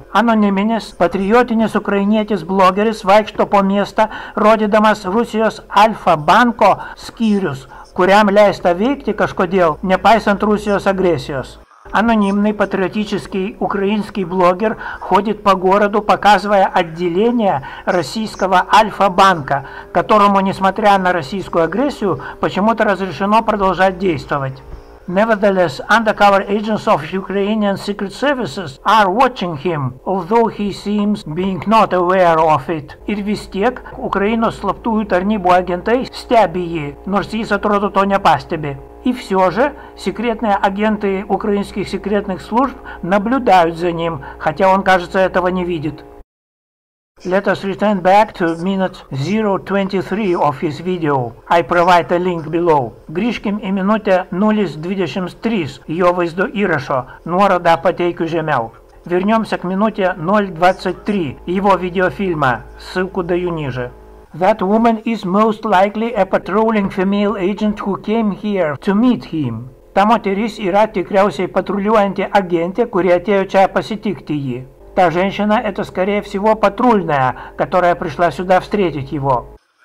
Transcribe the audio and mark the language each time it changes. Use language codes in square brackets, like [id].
[lt] Anonymous patriotinis ukrainietis blogeris vaikšto po miestą, rodydamas Rusijos Alpha Banko skyrius, kuriam leista veikti kažkodėl, nepaisant Rusijos agresijos. [ru] Анонимный патриотический украинский блогер ходит по городу, показывая отделение российского Альфа-банка, которому, несмотря на российскую агрессию, почему-то разрешено продолжать действовать. [en] Nevertheless, undercover agents of Ukrainian secret services are watching him, although he seems being not aware of it. [lt] Ir vis tiek, Ukrainos slaptųjų tarnybų agentai stebi jį, nors jis atrodo to nepastebi. [ru] И все же, секретные агенты украинских секретных служб наблюдают за ним, хотя он, кажется, этого не видит. [en] Let us return back to minute 023 of his video. I provide a link below. [lt] Grįžkim į minutę 023 jo vaizdo įrašo. Nuorodą pateikiu žemiau. [ru] Вернемся к минуте 023 его видеофильма. Ссылку даю ниже. [en] That woman is most likely a patrolling female agent who came here to meet him. [ru] Та [lt] moteris yra tikriausiai patruliuojanti agentė, kuri atėjo čia pasitikti jį. [ru] Та женщина – это, скорее всего, патрульная, которая пришла сюда встретить его.